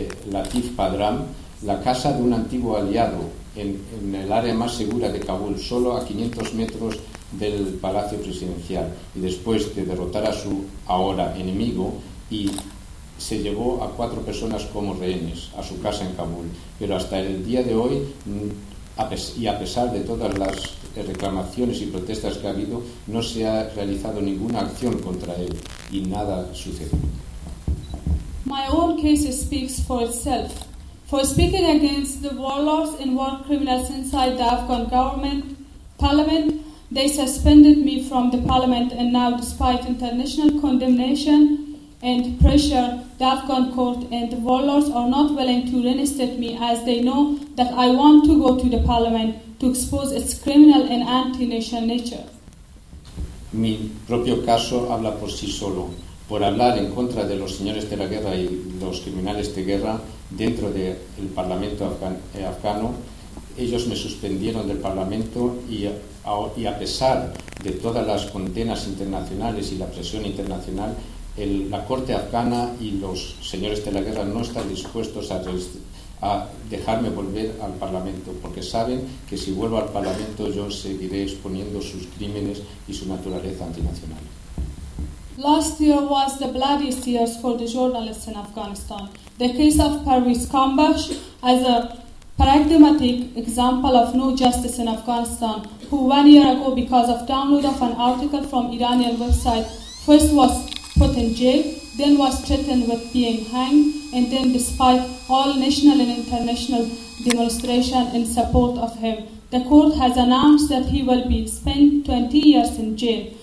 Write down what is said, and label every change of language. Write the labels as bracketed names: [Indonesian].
[Spanish] Latif Bedram, la casa de un antiguo aliado en el área más segura de Kabul, solo a 500 metros del palacio presidencial, y después de derrotar a su ahora enemigo, y se llevó a 4 personas como rehenes a su casa en Kabul. Pero hasta el día de hoy, y a pesar de todas las reclamaciones y protestas que ha habido, no se ha realizado ninguna acción contra él y nada sucede. [English] My own case speaks for itself. For speaking against the warlords and war criminals inside the Afghan government, parliament, they suspended me from the parliament, and now, despite international condemnation and pressure, the Afghan court and the warlords are not willing to reinstate me, as they know that I want to go to the parliament to expose its criminal and anti-national nature. [Spanish] Mi propio caso habla por sí solo. Por hablar en contra de los señores de la guerra y los criminales de guerra dentro del parlamento afgano, ellos me suspendieron del parlamento y a pesar de todas las condenas internacionales y la presión internacional, la corte afgana y los señores de la guerra no están dispuestos a dejarme volver al parlamento, porque saben que si vuelvo al parlamento yo seguiré exponiendo sus crímenes y su naturaleza antinacional. [English] Last year was the bloodiest years for the journalists in Afghanistan. The case of Parviz Qamish as a paradigmatic example of no justice in Afghanistan, who 1 year ago, because of download of an article from Iranian website, first was put in jail, then was threatened with being hanged, and then despite all national and international demonstration in support of him, the court has announced that he will be spent 20 years in jail.